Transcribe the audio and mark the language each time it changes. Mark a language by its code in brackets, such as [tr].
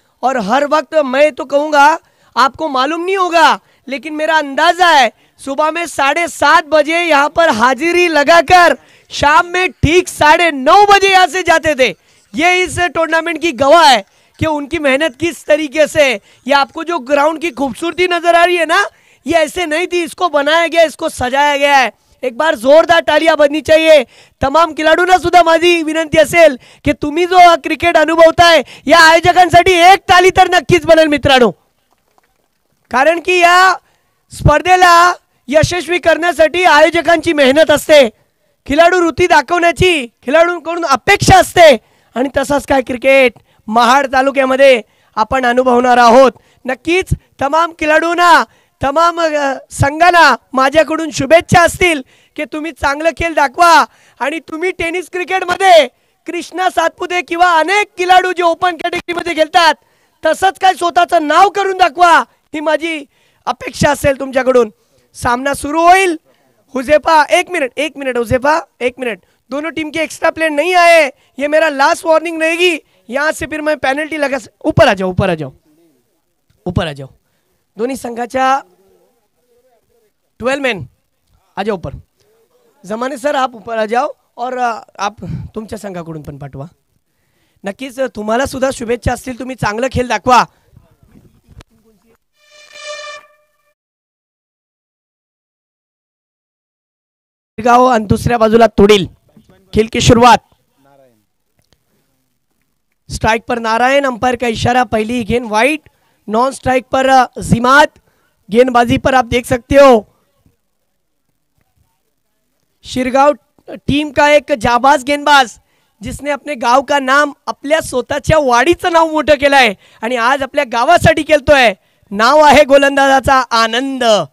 [hi] और हर वक्त मैं तो कहूँगा, आपको मालूम नहीं होगा लेकिन मेरा अंदाजा है, सुबह में 7:30 बजे यहाँ पर हाजिरी लगाकर शाम में ठीक 9:30 बजे यहाँ से जाते थे। ये इस टूर्नामेंट की गवाह है कि उनकी मेहनत किस तरीके से, या आपको जो ग्राउंड की खूबसूरती नजर आ रही है ना, ये ऐसे नहीं थी, इसको बनाया गया, इसको सजाया गया है। एक बार जोरदार तालियां बजनी चाहिए तमाम खिलाड़ियों सुद्धा। [mr] माझी विनंती असेल की तुम्ही जो क्रिकेट अनुभवताय या आयोजकांसाठी एक ताली तर नक्कीच बनेल मित्रांनो, कारण की या स्पर्धेला यशस्वी करण्यासाठी आयोजकांची मेहनत असते, खिलाडू वृत्ती दाखवण्याची खिलाडूंकडून अपेक्षा असते, आणि तसंच काय क्रिकेट महाड तालुक्यामध्ये आपण अनुभवणार आहोत। नक्कीच तमाम खिलाडूंना, तमाम संघांना माझ्याकडून शुभेच्छा असतील की तुम्ही चांगलं खेळ दाखवा, आणि तुम्ही टेनिस क्रिकेटमध्ये कृष्णा सातपुते किंवा अनेक खिलाडू जे ओपन कॅटेगरीमध्ये खेळतात तसंच काय स्वतःचं नाव करून दाखवा, ही माझी अपेक्षा असेल तुमच्याकडून। सामना सुरू होईल, [hi] हुजेफा एक मिनट, दोनों टीम के एक्स्ट्रा प्लेयर नहीं आए, ये मेरा लास्ट वार्निंग रहेगी, यहां से फिर मैं पेनल्टी लगा। ऊपर आ जाओ, दोनों संघाचा 12 मैन आ जाओ ऊपर। [mr] जमाने सर [hi] आप ऊपर आ जाओ और आप [mr] तुमच्या संघाकडून पण पाठवा, नक्कीच तुम्हाला सुद्धा शुभेच्छा असतील, तुम्ही चांगले खेळ दाखवा। गाव आणि दुसऱ्या बाजूला तुडील, [hi] खेल की शुरुआत, स्ट्राइक पर नारायण, अंपायर का इशारा, पहली गेंद वाइड, नॉन स्ट्राइक पर जिमात, गेंदबाजी पर आप देख सकते हो शिरगांव टीम का एक जाबाज गेंदबाज जिसने अपने गांव का नाम, अपने [mr] स्वतःच्या वाडीचं नाव मोठं केलंय आणि आज [hi] अपने गावासाठी खेलतो है, नाव है गोलंदाजाचा आनंद।